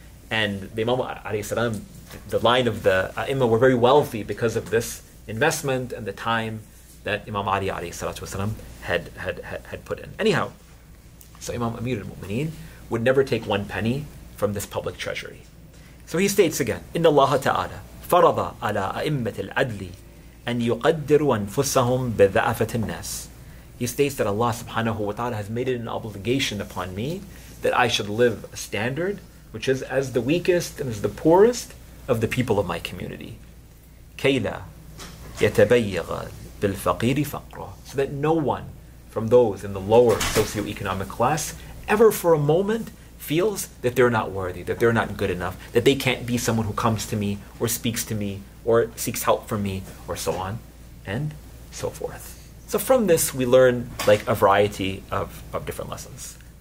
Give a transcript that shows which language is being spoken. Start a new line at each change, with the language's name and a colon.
English: And the Imam alayhi salam, the line of the Imam, were very wealthy because of this investment and the time that Imam Ali alayhi salatu wasalam had put in. Anyhow, so Imam Amir al-Mu'mineen would never take one penny from this public treasury. So he states again,
Arabic: Inna Allah ta'ala فرض على أئمة العدل أن يقدروا أنفسهم بضعفة الناس.
English: He states that Allah subhanahu wa ta'ala has made it an obligation upon me that I should live a standard which is as the weakest and as the poorest of the people of my community.
Arabic: كي لا يتبيغ بالفقير فقره.
English: So that no one from those in the lower socioeconomic class ever for a moment feels that they're not worthy, that they're not good enough, that they can't be someone who comes to me or speaks to me or seeks help from me or so on and so forth. So from this, we learn like a variety of different lessons.